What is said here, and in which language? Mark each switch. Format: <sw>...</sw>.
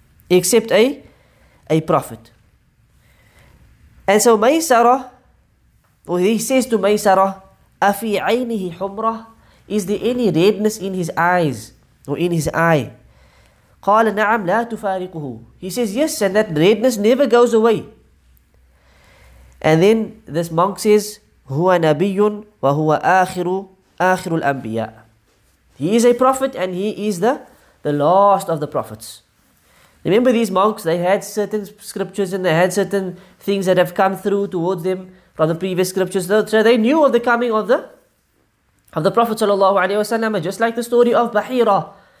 <en>And so Maysarah, or he says to Maysarah,</en> <ar>afi aynihi humra,</ar> <en>is there any redness in his eyes or in his eye?</en> <ar>قال نعم لا تفارقه.</ar> <en>He says yes, and that redness never goes away.</en> <ar>And then this monk says, هو نبي وهو آخر الأنبياء.</ar> <en>He is a prophet and he is the last of the prophets. Remember, these monks, they had certain scriptures and they had certain things that have come through towards them from the previous scriptures. So they knew of the coming of the Prophet sallallahu alaihi wasallam, just like the story of Bahira.</en>